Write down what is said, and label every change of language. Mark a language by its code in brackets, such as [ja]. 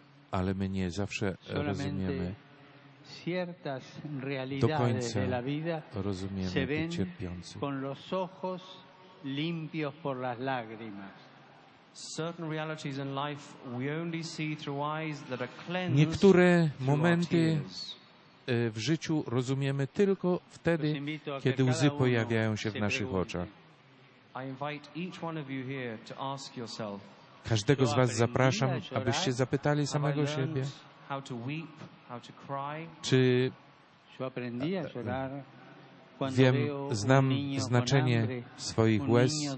[pl] Ale my nie zawsze rozumiemy. [es] Ciertas realidades de la vida se ven con los ojos limpios por las lágrimas. [en] Certain realities in life we only see through eyes that are cleansed. [pl] Niektóre momenty w życiu rozumiemy tylko wtedy, kiedy łzy pojawiają się w naszych oczach. [en] I invite each one of you here to ask yourself. [pl] Każdego z was zapraszam, abyście zapytali samego siebie. [en] How to weep, how to cry. [pl] Czy [es] yo aprendí a llorar cuando veo [pl] znam znaczenie swoich łez.